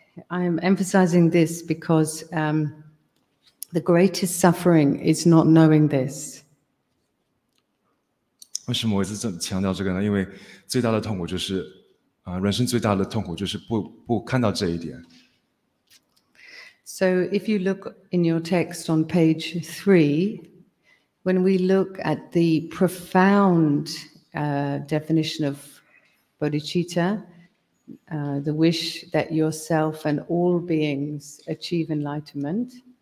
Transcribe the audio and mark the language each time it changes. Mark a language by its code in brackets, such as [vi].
[en] I am emphasizing this because the greatest suffering is not knowing this. [zh] 为什么我一直这么强调这个呢？因为最大的痛苦就是人生最大的痛苦就是不看到这一点。 [en] So if you look in your text on page 3,when we look at the profound definition of bodhicitta, the wish that yourself and all beings achieve enlightenment.